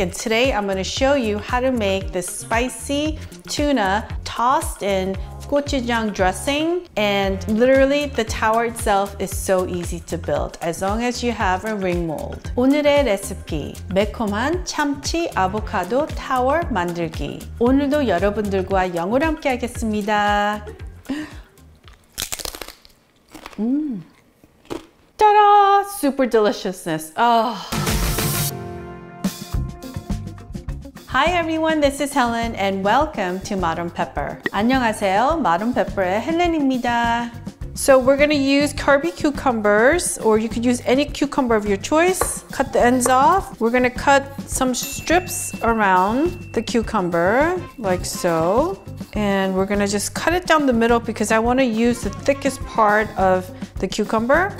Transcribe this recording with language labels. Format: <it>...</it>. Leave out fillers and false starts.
<en>And today I'm gonna show you how to make this spicy tuna tossed in gochujang dressing. And literally the tower itself is so easy to build as long as you have a ring mold.</en> <ko>오늘의 레시피, 매콤한 참치 아보카도 타워 만들기. 오늘도 여러분들과 영어로 함께 하겠습니다.</ko> <en>따라! Super deliciousness. Oh. Hi everyone, this is Helen and welcome to Modern Pepper.</en> <ko>안녕하세요, 마른 페퍼의 헬렌입니다.</ko> <en>So we're gonna use curvy cucumbers, or you could use any cucumber of your choice. Cut the ends off. We're gonna cut some strips around the cucumber, like so. And we're gonna just cut it down the middle because I wanna use the thickest part of the cucumber.</en>